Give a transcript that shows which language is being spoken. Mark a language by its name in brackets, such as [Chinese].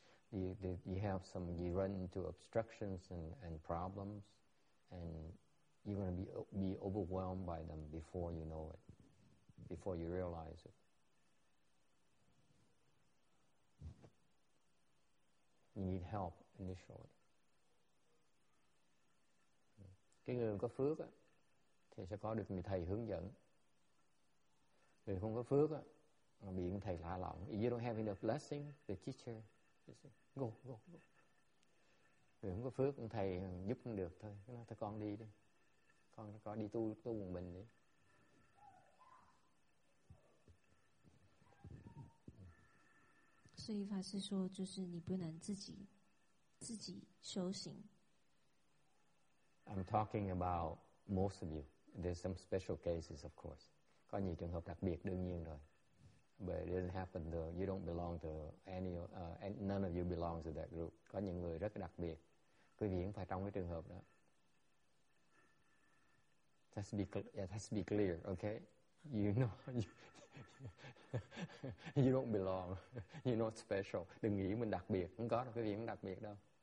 [English] You run into obstructions and problems, and you're going to be overwhelmed by them before you know it, before you realize it. You need help initially. [Vietnamese] Cái người có phước á thì sẽ có được người thầy hướng dẫn. Người không có phước á, mà bị người thầy lạ lẫm. [English] You don't have enough blessing, the teacher. Go, go, go. [Vietnamese] Người không có phước, người thầy giúp không được thôi. Nó thôi con đi đi. Con đi tu một mình đi. [Chinese] Sư Y Pháp Sư 说就是你不能自己修行. [English] I'm talking about most of you. There's some special cases, of course. [Vietnamese] Có nhiều trường hợp đặc biệt đương nhiên rồi. [English] But it doesn't happen to, you don't belong to any, none of you belong to that group. [Vietnamese] Có những người rất đặc biệt. Quý vị cũng phải trong cái trường hợp đó. [English] That's be clear, okay? You know, you don't belong. You're not special. [Vietnamese] Đừng nghĩ mình đặc biệt. Không có đâu, quý vị cũng đặc biệt đâu.